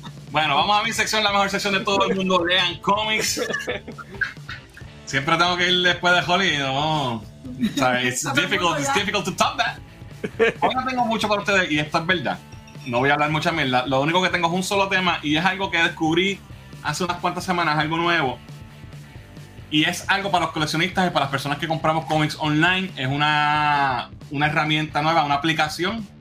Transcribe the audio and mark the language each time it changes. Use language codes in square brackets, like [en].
[es] Bueno, vamos a mi sección, la mejor sección de todo el mundo. Lean cómics. Siempre tengo que ir después de Holly, ¿no? [en] It's difficult to top that. [es] Hoy no tengo mucho para ustedes y esto es verdad. No voy a hablar mucha mierda. Lo único que tengo es un solo tema y es algo que descubrí hace unas cuantas semanas, algo nuevo. Y es algo para los coleccionistas y para las personas que compramos cómics online. Es una herramienta nueva, una aplicación.